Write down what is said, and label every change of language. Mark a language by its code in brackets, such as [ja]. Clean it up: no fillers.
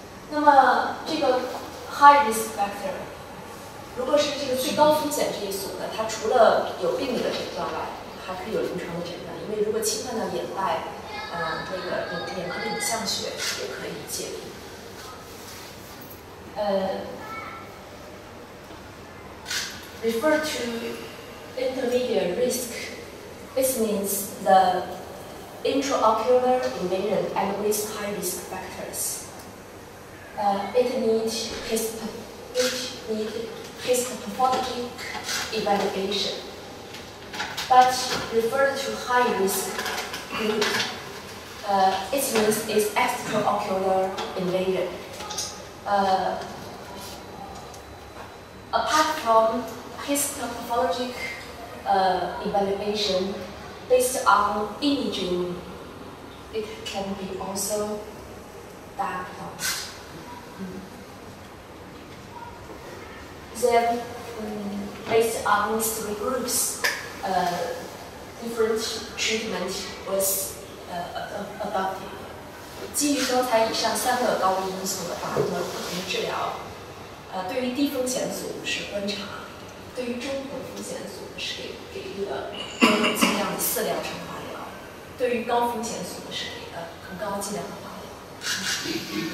[zh] 那么这个 [en] High risk factor， [zh] 如果是这个最高风险这一组呢，它除了有病理的诊断外，还可以有临床的诊断。因为如果侵犯到眼袋，那个眼眶的影像学也可以鉴定。 [en] Refer to intermediate risk， this means the intraocular invasion and with high risk factors。 It needs pathologic evaluation, but refer to high risk group. It means it's extraocular invasion. Apart from histopathologic evaluation, based on imaging, it can be also diagnosed. Then, based on three groups, different treatment was adopted. [zh] 基于刚才以上三个高危因素的话，那么不同的治疗，对于低风险组是观察，对于中等风险组是给予了剂量的四疗程化疗，对于高风险组是给了很高剂量的化疗。